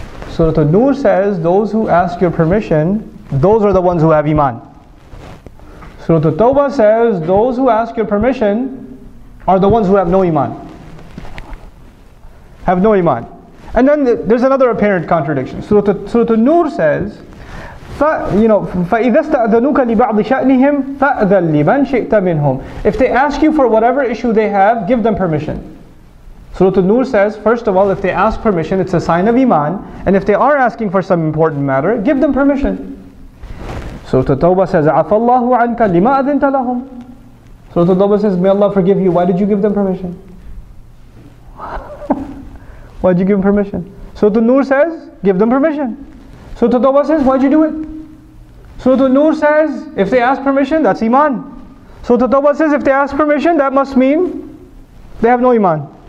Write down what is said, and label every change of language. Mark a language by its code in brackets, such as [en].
[en] Surah An-Nur says, those who ask your permission, those are the ones who have iman. Surah At-Tawbah says, those who ask your permission are the ones who have no iman. Have no iman. And then there's another apparent contradiction. Surah An-Nur says, [ar] فَإِذَا اسْتَأْذَنُوكَ لِبَعْضِ شَأْنِهِمْ فَأْذَلْ لِمَنْ شِئْتَ مِنْهُمْ. [en] If they ask you for whatever issue they have, give them permission. Surah An-Nur says, first of all, if they ask permission, it's a sign of iman. And if they are asking for some important matter, give them permission. Surah At-Tawbah says, [ar] عَفَى اللَّهُ عَنْكَ لِمَا أَذِنْتَ لَهُمْ. [en] Surah At-Tawbah says, may Allah forgive you, why did you give them permission? Why did you give them permission? Surah An-Nur says, give them permission. Surah At-Tawbah says, why'd you do it? Surah An-Nur says, if they ask permission, that's iman. Surah At-Tawbah says, if they ask permission, that must mean they have no iman.